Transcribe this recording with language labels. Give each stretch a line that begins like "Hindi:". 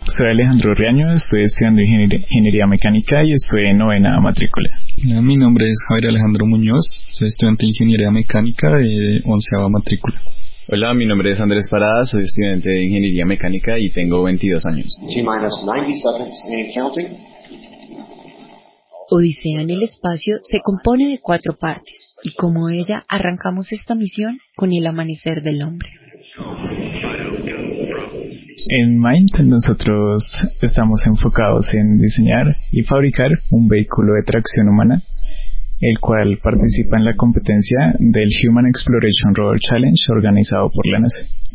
Spanish: Soy Alejandro Riaño, estoy estudiando Ingeniería Mecánica y estoy en novena matrícula. Mi nombre es Javier Alejandro Muñoz, soy estudiante de Ingeniería Mecánica de 11ª matrícula. Hola, mi nombre es Andrés Parada, soy estudiante de Ingeniería Mecánica y tengo 22 años.
English: T-minus 90 seconds and counting.
Spanish: Odisea en el Espacio se compone de cuatro partes y como ella arrancamos esta misión con el amanecer del hombre. En Mind nosotros estamos enfocados en diseñar y fabricar un vehículo de tracción humana, el cual participa en la competencia del Human Exploration Rover Challenge organizado por la NASA.